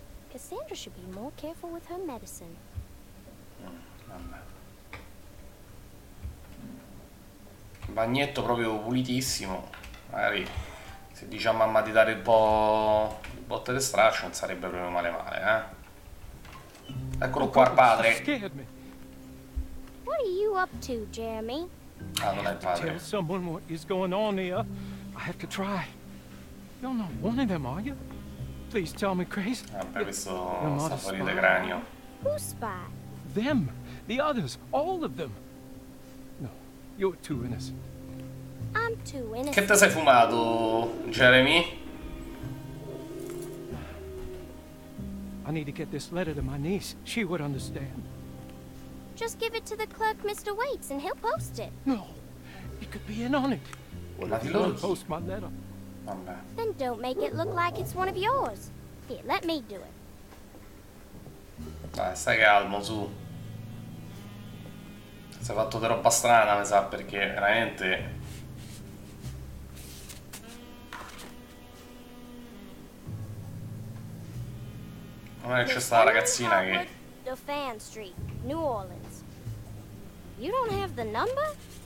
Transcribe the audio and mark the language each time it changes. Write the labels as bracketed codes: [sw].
[en] Cassandra should be more careful with her medicine. [it] Bagnetto proprio pulitissimo. Magari se dice a mamma di dare un po' di botte di straccio non sarebbe proprio male, eh? Eccolo qua, il padre. [en] What are you up to, Jeremy? [it] Ah, non è il padre. [en] Tell someone what is going on here. I have to try. You're not one of them, are you? Please tell me, Chris. [it] Vabbè, questo sta fuori del cranio. [en] Who spy? Them, the others, all of them. No, you're too innocent. [it] Che te sei fumato, Jeremy? [en] I need to get this letter to my niece. She would understand. Just give it to the clerk, Mr. Waits, and he'll post it. No, he could be in on it. Well, not he'll post my letter. Then don't make it look like it's one of yours. Here, let me do it. [it] Dai, stai calmo, su. Si è fatto di roba strana, mi sa, perché veramente... Non è che c'è sta ragazzina che... [en] Dauphin Street, New Orleans. You don't have the number?